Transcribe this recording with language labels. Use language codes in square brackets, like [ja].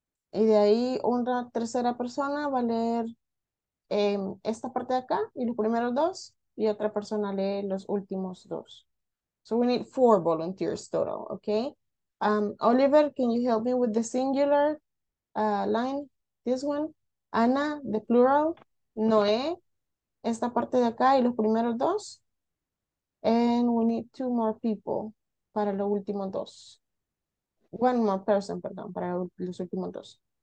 [es] Y de ahí una tercera persona va a leer esta parte de acá y los primeros dos, y otra persona lee los últimos dos. [en] So we need four volunteers total, okay? Oliver, can you help me with the singular line? This one. Ana, the plural. [es] Noé, esta parte de acá y los primeros dos. [en] And we need two more people [es] para los últimos dos. [en] One more person, [es] perdón, para los últimos dos.